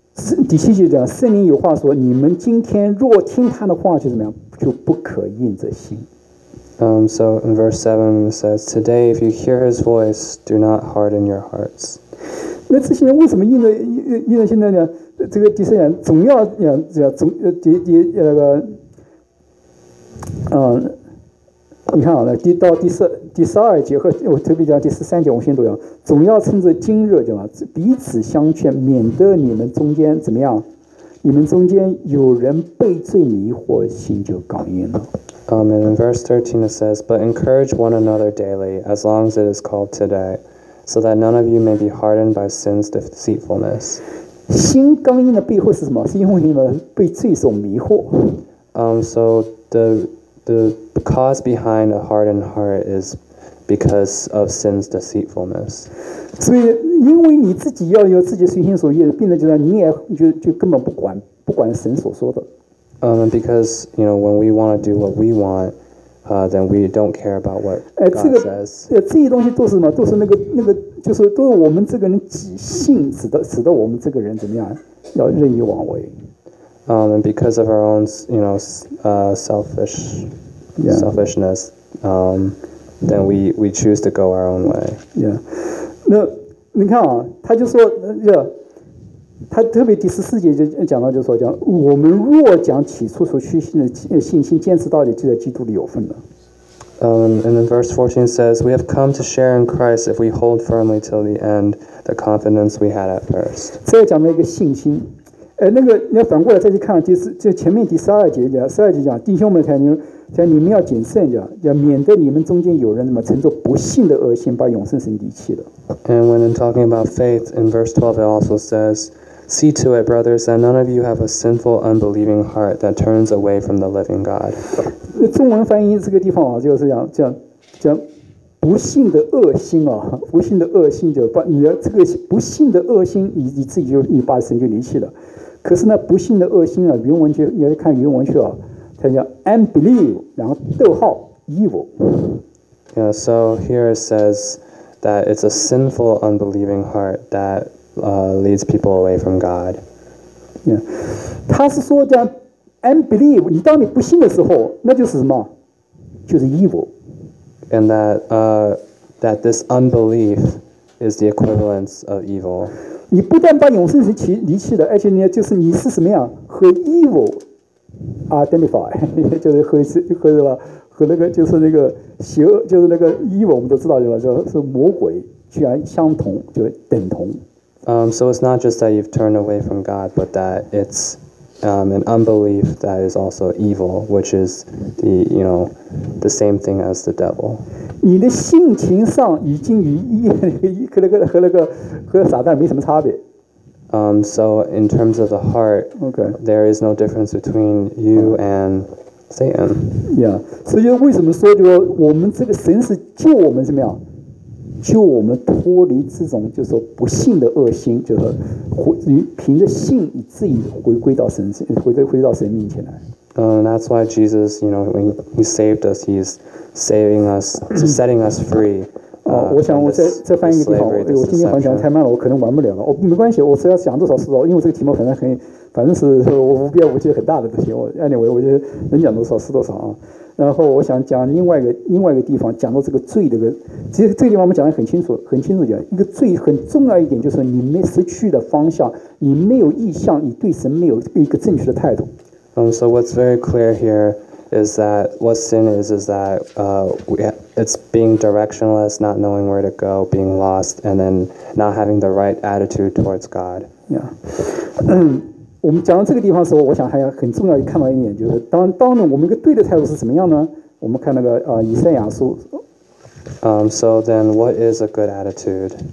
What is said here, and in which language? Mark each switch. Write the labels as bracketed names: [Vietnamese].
[English] So in verse 7 it says, Today if you hear his voice, do not harden your hearts. [Chinese] 那这些人为什么应了现在呢？这个第四点总要讲，总第第那个，你看啊，第到第十二节和我特别讲第13节，我先读一下，总要趁着今日，对吧？彼此相劝，免得你们中间怎么样？你们中间有人被罪迷惑，心就刚硬了。 [English] And in verse 13 it says, "But encourage one another daily, as long as it is called today, so that none of you may be hardened by sin's deceitfulness." [Chinese] 心刚硬的背后是什么？是因为你们被罪所迷惑。 [English] So the cause behind a hardened heart is because of sin's deceitfulness. [Chinese] 所以，因为你自己要有自己随心所欲，变得就是你也就根本不管神所说的。 [English] Because you know when we want to do what we want, then we don't care about what God says. [Chinese] 这些东西都是什么？都是那个。就是都是我们这个人己性使得我们这个人怎么样要任意妄为。 [English] And because of our own, you know, selfish, yeah. selfishness, then we choose to go our own way. Yeah. [Chinese] 那你看啊，他就说，他特别第十四节就讲到，就说讲我们若讲起初所虚心的信心坚持到底，就在基督里有份的。 [English] And then verse 14 says, We have come to share in Christ if we hold firmly till the end the confidence we had at first. [Chinese] 再讲到一个信心，你要反过来再去看就前面第十二节讲，弟兄们，你们要谨慎讲，要免得你们中间有人怎么乘着不信的恶心把永生神离弃了。 [English] And when in talking about faith, in verse 12 it also says, See to it, brothers, that none of you have a sinful, unbelieving heart that turns away from the living God. [Chinese] 中文翻译这个地方啊，就是讲讲讲不信的恶心啊，不信的恶心就把你的这个不信的恶心，你自己就你把神就离弃了。可是呢，不信的恶心啊，原文去你要看原文去啊，它叫 [English] unbelieve， [Chinese] 然后逗号 [English] evil。 Yeah, so here it says that it's a sinful, unbelieving heart that leads people away from God. Yeah, [Chinese] 他是说的 [English] unbelieve， [Chinese] 你当你不信的时候，那就是什么？就是 [English] evil. And that that this unbelief is the equivalent of evil. [Chinese] 你不但把永生神离弃了，而且呢，就是你是什么样和 [English] evil identify， [Chinese] 就是和什么？和那个就是那个邪恶，就是那个 [English] evil， [Chinese] 我们都知道了，就是魔鬼，居然相同，就等同。 [English] So it's not just that you've turned away from God, but that it's an unbelief that is also evil, which is the you know the same thing as the devil. [Chinese] 你的性情上已经与一和那个和那个和撒旦没什么差别。 [English] So in terms of the heart, okay, there is no difference between you and Satan. Yeah. [Chinese] 所以为什么说就是我们这个神是救我们怎么样？救我们脱离这种就是说不信的恶心，就是回凭着信以自己回归到神，回到神面前来。 [English] That's why Jesus, you know, when he saved us, he's saving us, setting us free. [Chinese] 我想我再翻译一个地方，我今天好像讲太慢了，我可能玩不了了。没关系，我只要讲多少是多少，因为这个题目反正是我无边无际很大的东西。我 [English] anyway， [Chinese] 我觉得能讲多少是多少啊。然后我想讲另外一个地方，讲到这个罪的个，其实这个地方我们讲得很清楚，很清楚讲一个罪很重要一点，就是你没失去的方向，你没有意向，你对神没有一个正确的态度。 [English] So what's very clear here is that what sin is that it's being directionless, not knowing where to go, being lost, and then not having the right attitude towards God. Yeah. [Chinese] 我们讲到这个地方的时候，我想还要很重要的看到一点，就是当我们一个对的态度是怎么样呢？我们看那个以赛亚书。 [English] So then, what is a good attitude?